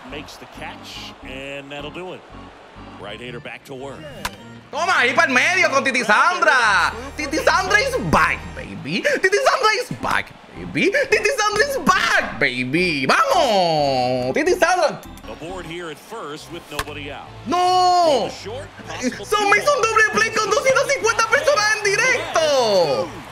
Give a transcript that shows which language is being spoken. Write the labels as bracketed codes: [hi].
[en] Makes the catch, and that'll do it. Right hitter back to work. [es] Toma, ahí para el medio con Titi Sandra. [en] Titi Sandra is back, baby. Titi Sandra is back, baby. Titi Sandra is back, baby. [es] ¡Vamos! Titi Sandra. [en] Aboard here at first with nobody out. [es] ¡No! ¡So me hizo un doble play con 250 personas en directo!